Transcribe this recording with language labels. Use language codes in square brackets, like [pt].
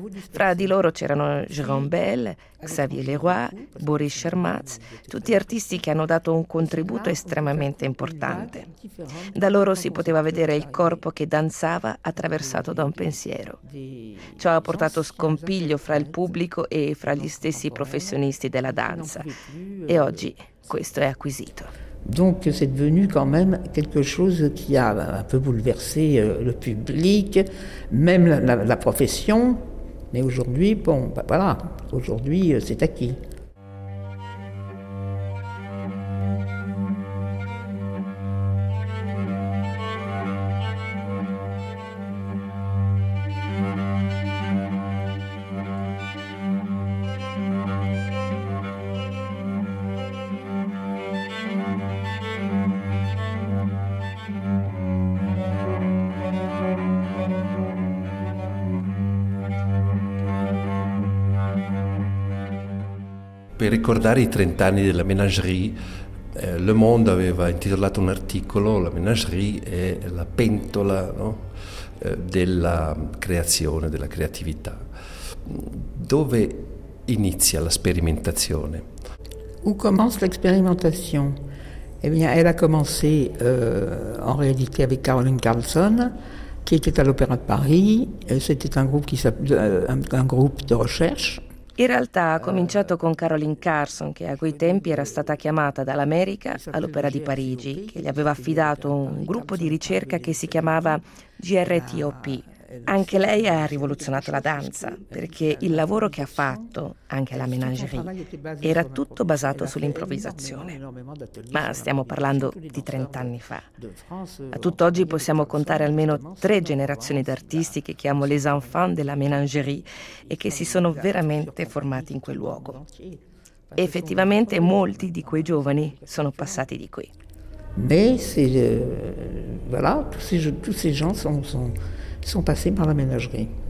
[it] Fra di loro c'erano Jérôme Bel, Xavier Leroy, Boris Schermatz, tutti artisti che hanno dato un contributo estremamente importante. Da loro si poteva vedere il corpo che danzava attraversato da un pensiero. Ciò ha portato scompiglio fra il pubblico e fra gli stessi professionisti della danza. E oggi questo è acquisito. [fr] Donc c'est devenu quand même quelque chose qui a un peu bouleversé le public, même la profession, mais aujourd'hui, bon, bah voilà, aujourd'hui c'est acquis. [it] Per ricordare i 30 anni della Ménagerie, Le Monde aveva intitolato un articolo La Ménagerie è la pentola, no? Della creazione, della creatività. Dove inizia la sperimentazione? [fr] Où commence l'expérimentation? Eh bien, elle a commencé en réalité avec Caroline Carlson, qui était à l'Opéra de Paris. C'était un groupe de recherche. [it] In realtà ha cominciato con Caroline Carson, che a quei tempi era stata chiamata dall'America all'Opera di Parigi, che gli aveva affidato un gruppo di ricerca che si chiamava GRTOP. Anche lei ha rivoluzionato la danza, perché il lavoro che ha fatto, anche alla Ménagerie, era tutto basato sull'improvvisazione. Ma stiamo parlando di 30 anni fa. A tutt'oggi possiamo contare almeno 3 generazioni d'artisti che chiamo [fr] les enfants de la Ménagerie [it] e che si sono veramente formati in quel luogo. Effettivamente molti di quei giovani sono passati di qui. [fr] Voilà, tous ces gens sont passés par la Ménagerie.